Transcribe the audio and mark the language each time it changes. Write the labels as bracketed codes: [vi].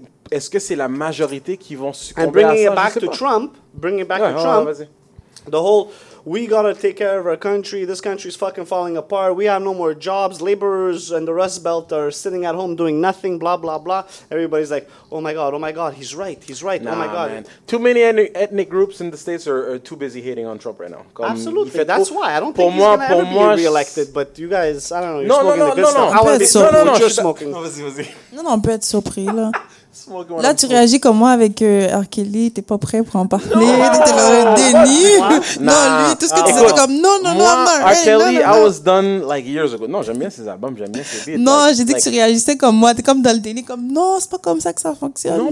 [fr] Est-ce que c'est la majorité qui vont succomber à ça? [en] And bringing it back to Trump, the whole, we gotta take care of our country, this country's fucking falling apart, we have no more jobs, laborers and the Rust Belt are sitting at home doing nothing, blah, blah, blah. Everybody's like, oh my God, he's right, nah, oh my God. Man. Too many ethnic groups in the States are too busy hating on Trump right now. Absolutely, that's why. I don't think he's gonna ever be re-elected, but you guys, I don't know, you're smoking the good stuff. [fr] On peut être surpris, là. Là, tu réagis comme moi avec R. Kelly, t'es pas prêt pour en parler, t'es dans le déni. Non, lui, tout ce que tu disais, comme non, [en] R. Kelly, I was done like years ago. [fr] Non, j'aime bien ses albums, j'aime bien ses beats. Non, j'ai dit que tu réagissais comme moi, t'es comme dans le déni, comme non, c'est pas comme ça que ça fonctionne.